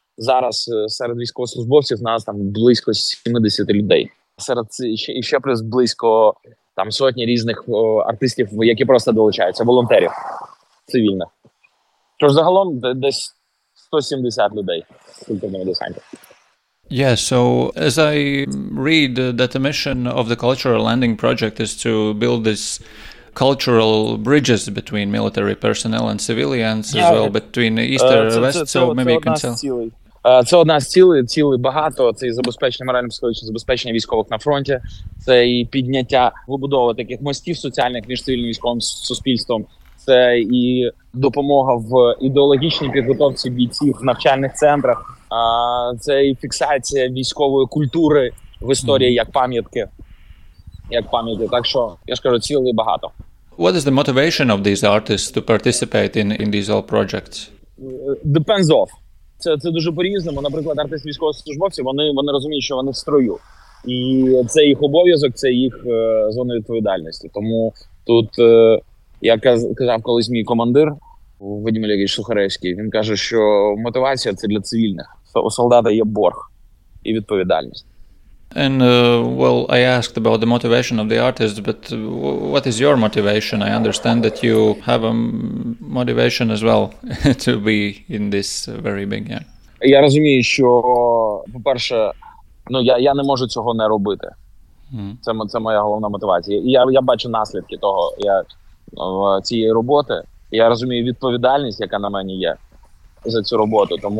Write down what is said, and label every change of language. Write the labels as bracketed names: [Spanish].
[Ukrainian] Зараз серед військовослужбовців нас там близько 70 людей. Серед ще плюс близько там сотні різних артистів, які просто долучаються, волонтерів цивільних. Тож загалом десь 170 людей в культурному десанті. [English] Yeah, so as I read that the mission of the Cultural Landing Project is to build this cultural bridges between military personnel and civilians as well, between east and west, [Ukrainian] це [English] maybe you can tell. [Ukrainian] Це одна з цілей багато. Це і забезпечення морально-психологічного, забезпечення військових на фронті, це і підняття, вибудова таких мостів соціальних між цивільним військовим суспільством, це і допомога в ідеологічній підготовці бійців в навчальних центрах, це і фіксація військової культури в історії як пам'ятки. Так що, я ж кажу, цілей багато. [English] What is the motivation of these artists to participate in these all projects? Depends off. [Ukrainian] Це дуже по-різному. Наприклад, артисти військовослужбовці, вони розуміють, що вони в строю. І це їх обов'язок, це їх зона відповідальності. Тому тут Я казав колись мій командир в Вадим Олегович Сухаревський. Він каже, що мотивація – це для цивільних. У солдата є борг і відповідальність. [English] And well, I asked about the motivation of the artist, but what is your motivation? I understand that you have a motivation as well to be in this very big game. [Ukrainian] Я розумію, що, по-перше, ну я не можу цього не робити. Це моя головна мотивація. Я бачу наслідки того, цієї роботи. Я розумію відповідальність, яка на мені є за цю роботу.